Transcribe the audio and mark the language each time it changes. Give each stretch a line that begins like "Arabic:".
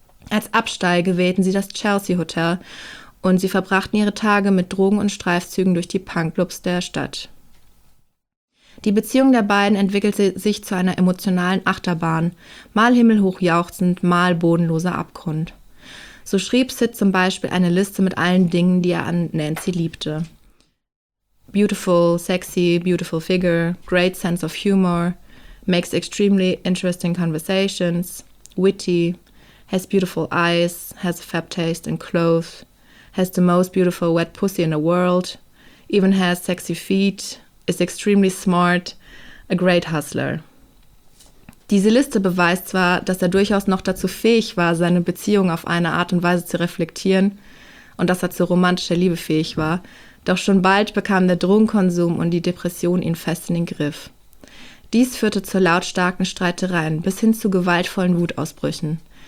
German: Als Absteige wählten sie das Chelsea Hotel und sie verbrachten ihre Tage mit Drogen und Streifzügen durch die Punkclubs der Stadt. Die Beziehung der beiden entwickelte sich zu einer emotionalen Achterbahn, mal himmelhoch jauchzend, mal bodenloser Abgrund. So schrieb Sid zum Beispiel eine Liste mit allen Dingen, die er an Nancy liebte.
English: Beautiful, sexy, beautiful figure, great sense of humor, makes extremely interesting conversations, witty, has beautiful eyes, has a fab taste in clothes, has the most beautiful wet pussy in the world, even has sexy feet, is extremely smart, a great hustler.
German: Diese Liste beweist zwar, dass er durchaus noch dazu fähig war, seine Beziehung auf eine Art und Weise zu reflektieren und dass er zu romantischer Liebe fähig war, doch schon bald bekam der Drogenkonsum und die Depression ihn fest in den Griff. Dies führte zu lautstarken Streitereien bis hin zu gewaltvollen Wutausbrüchen.